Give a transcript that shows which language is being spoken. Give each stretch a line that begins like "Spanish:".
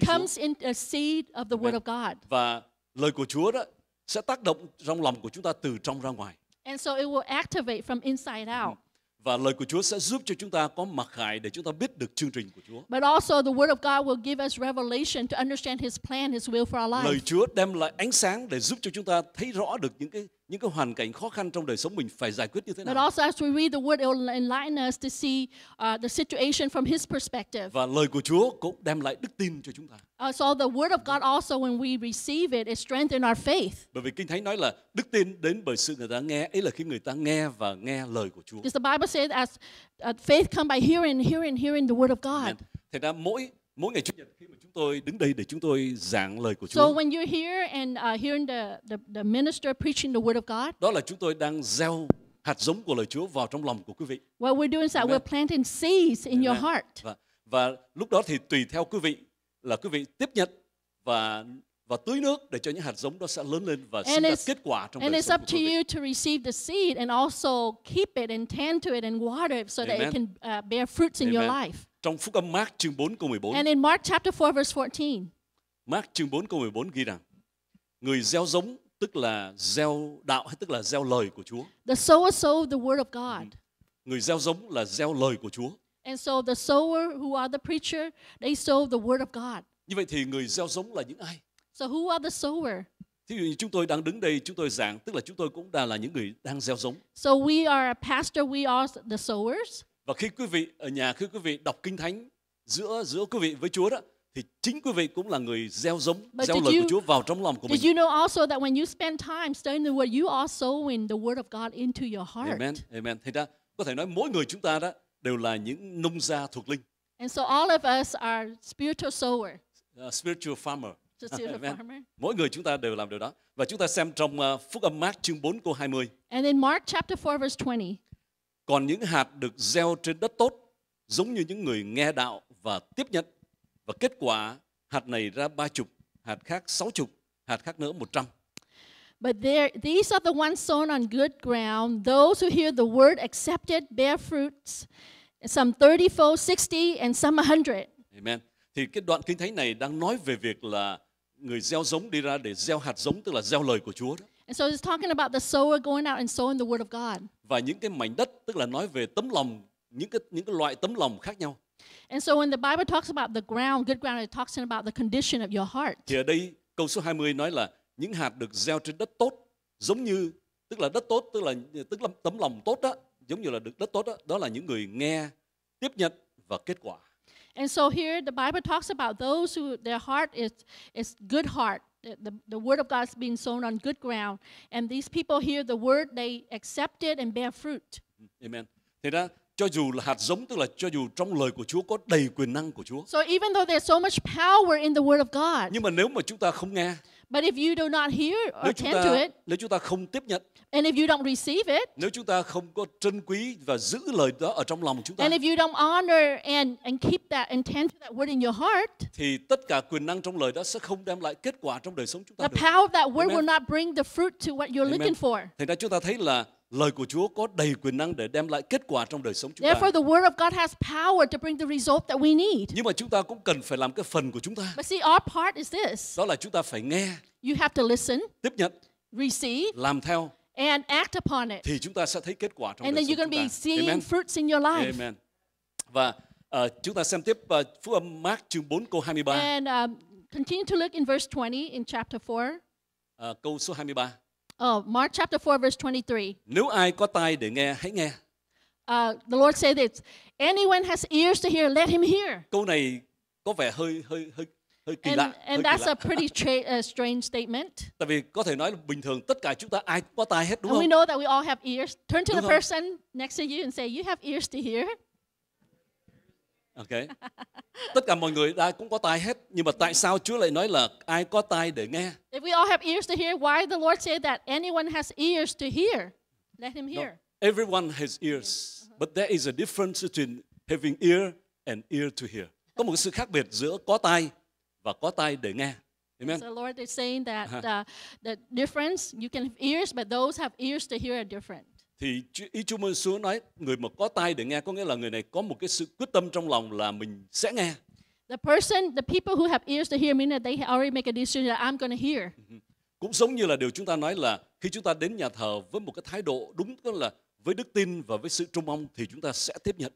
English: It comes in a seed of the word of God.
Vietnamese: Và lời của Chúa đó sẽ tác động trong lòng của chúng ta từ trong ra ngoài.
English: And so it will activate from inside out.
Vietnamese: Và lời của Chúa sẽ giúp cho chúng ta có mặc khải để chúng ta biết được chương trình của Chúa.
English: But also the word of God will give us revelation to understand his plan, his will for our life.
Vietnamese: Lời Chúa đem lại ánh sáng để giúp cho chúng ta thấy rõ được những cái hoàn cảnh khó khăn trong đời sống mình phải giải quyết như thế nào.
English: But also as we read the word, it will enlighten us to see the situation from his perspective.
Vietnamese: Và lời của Chúa cũng đem lại đức tin cho chúng ta.
English: So the word of God also when we receive it, it strengthens our faith.
Vietnamese: Bởi vì Kinh Thánh nói là đức tin đến bởi sự người ta nghe, ấy là khi người ta nghe và nghe lời của Chúa.
English: Does the Bible say that faith come by hearing the word of God?
Vietnamese: Thế nên mỗi ngày Chủ nhật khi mà chúng tôi đứng đây để chúng tôi giảng lời của Chúa.
English: So when you're here and hearing the minister preaching the word of God.
Vietnamese: Đó là chúng tôi đang gieo hạt giống của lời Chúa vào trong lòng của quý vị.
English: What we're doing is that we're planting seeds in your heart.
Vietnamese: Và lúc đó thì tùy theo quý vị là quý vị tiếp nhận và tưới nước để cho những hạt giống đó sẽ lớn lên và sinh ra kết quả trong đời sống của quý vị.
English: And it's up to you to receive the seed and also keep it and tend to it and water it so that it can bear fruits in your life.
Vietnamese: Trong Phúc Âm Mark chương 4 câu 14.
English: And in Mark chapter 4 verse 14.
Vietnamese: Mark chương 4 câu 14 ghi rằng người gieo giống tức là gieo đạo hay tức là gieo lời của Chúa.
English: The sower sowed the word of God.
Vietnamese: Người gieo giống là gieo lời của Chúa.
English: And so the sower who are the preacher, they sow the word of God.
Vietnamese: Như vậy thì người gieo giống là những ai?
English: So who are the sower?
Vietnamese: Thí dụ như chúng tôi đang đứng đây, chúng tôi giảng, tức là chúng tôi cũng đang là những người đang gieo giống.
English: So we are a pastor, we are the sowers.
Vietnamese: Và khi quý vị ở nhà, khi quý vị đọc Kinh Thánh giữa quý vị với Chúa đó, thì chính quý vị cũng là người gieo giống,
English: but
Vietnamese: gieo lời của Chúa vào trong lòng của mình.
English: Did you know also that when you spend time studying the word, you are sowing the word of God into your heart? Amen, amen.
Vietnamese: Thế ra, có thể nói mỗi người chúng ta đó, đều là những nông gia thuộc linh.
English: And so all of us are spiritual sower. Spiritual farmer. Farmer.
Vietnamese: Mỗi người chúng ta đều làm điều đó. Và chúng ta xem trong Phúc Âm Mark chương 4 câu 20.
English: And in Mark chapter 4 verse 20.
Vietnamese: Còn những hạt được gieo trên đất tốt giống như những người nghe đạo và tiếp nhận. Và kết quả hạt này ra 30, hạt khác 60, hạt khác nữa 100.
English: But these are the ones sown on good ground. Those who hear the word accept it, bear fruits. Some 30-fold, 60, and some 100. Amen.
Vietnamese: Thì cái đoạn Kinh Thánh này đang nói về việc là người gieo giống đi ra để gieo hạt giống, tức là gieo lời của Chúa đó.
English: And so it's talking about the sower going out and sowing the word of God.
Vietnamese: Và những cái mảnh đất, tức là nói về tấm lòng, những cái loại tấm lòng khác nhau.
English: And so when the Bible talks about the ground, good ground, it talks about the condition of your heart.
Vietnamese: Thì ở đây câu số 20 nói là những hạt được gieo trên đất tốt giống như tức là đất tốt tức là tấm lòng tốt đó, giống như là được đất tốt đó, đó là những người nghe, tiếp nhận và kết quả.
English: And so here the Bible talks about those who their heart is good heart. The word of God is being sown on good ground and these people hear the word, they accept it and bear fruit. Amen.
Vietnamese: Thế đó, cho dù là hạt giống tức là cho dù trong lời của Chúa có đầy quyền năng của Chúa.
English: So even though there's so much power in the word of God.
Vietnamese: Nhưng mà nếu mà chúng ta không nghe.
English: But if you do not hear or attend to it.
Vietnamese: Nếu chúng ta không tiếp nhận.
English: And if you don't receive it.
Vietnamese: Nếu chúng ta không có trân quý và giữ lời đó ở trong lòng chúng ta.
English: And if you don't honor and keep that intent to that word in your heart.
Vietnamese: Thì tất cả quyền năng trong lời đó sẽ không đem lại kết quả trong đời sống chúng ta được.
English: The power of that word Amen. Will not bring the fruit to what you're Amen. Looking for.
Vietnamese: Thì đó chúng ta thấy là lời của Chúa có đầy quyền năng để đem lại kết quả trong đời sống chúng ta.
English: Therefore, the word of God has power to bring the result that we need.
Vietnamese: Nhưng mà chúng ta cũng cần phải làm cái phần của chúng ta.
English: But see, our part is this.
Vietnamese: Đó là chúng ta phải nghe.
English: You have to listen.
Vietnamese: Tiếp nhận.
English: Receive.
Vietnamese: Làm theo.
English: And act upon it.
Vietnamese: Thì chúng ta sẽ thấy kết quả trong
English: and
Vietnamese: đời sống chúng ta.
English: And then you're going to be seeing fruits in your life. Amen.
Vietnamese: Và chúng ta xem tiếp Phúc âm Mark chương 4 câu 23.
English: And continue to look in verse 20 in chapter 4.
Vietnamese: Câu số 23.
English: Mark chapter 4 verse 23.
Vietnamese: Nếu ai có tai để nghe, hãy nghe.
English: The Lord said this. Anyone has ears to hear, let him hear.
Vietnamese: Câu này có vẻ hơi kỳ
English: and,
Vietnamese: lạ.
English: And that's a pretty strange statement.
Vietnamese: Tại vì có thể nói là bình thường tất cả chúng ta ai có tai hết đúng
English: and
Vietnamese: không?
English: We know that we all have ears. Turn to
Vietnamese: đúng
English: the
Vietnamese: không?
English: Person next to you and say, you have ears to hear. Okay.
Vietnamese: Tất cả mọi người ai cũng có tai hết, nhưng mà tại sao Chúa lại nói là ai có tai để nghe?
English: If we all have ears to hear, why the Lord say that anyone has ears to hear, let him hear. No, everyone has ears, but there is a difference between having ear and ear to hear.
Vietnamese: Có một sự khác biệt giữa có tai và có tai để nghe.
English: Amen. So the Lord is saying that the difference you can have ears, but those have ears to hear are different.
Vietnamese: Thì ý Chúa Giê-xu nói người mà có tai để nghe có nghĩa là người này có một cái sự quyết tâm trong lòng là mình sẽ nghe.
English: The people who have ears to hear mean that they already make a decision that I'm going to hear.
Vietnamese: Cũng giống như là điều chúng ta nói là khi chúng ta đến nhà thờ với một cái thái độ đúng tức là với đức tin và với sự trông mong thì chúng ta sẽ tiếp nhận.